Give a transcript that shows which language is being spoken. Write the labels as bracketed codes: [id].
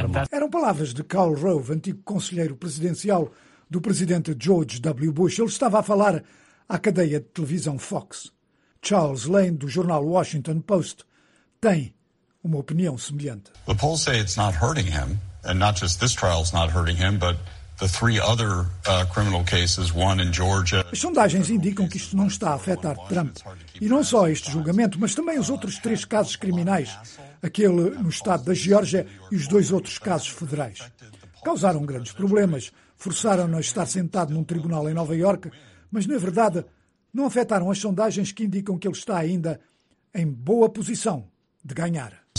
[pt] Eram palavras de Karl Rove, antigo conselheiro presidencial do presidente George W. Bush. Ele estava a falar à cadeia de televisão Fox. Charles Lane, do jornal Washington Post, tem uma opinião semelhante. [en] The polls say it's not hurting him, and not just this trial is not hurting him, but the three other criminal cases, one in Georgia. [pt] As sondagens indicam que isto não está a afetar Trump. E não só este julgamento, mas também os outros três casos criminais, aquele no estado da Geórgia e os dois outros casos federais. Causaram grandes problemas, forçaram-no a estar sentado num tribunal em Nova Iorque, mas, na verdade, não afetaram as sondagens que indicam que ele está ainda em boa posição de ganhar.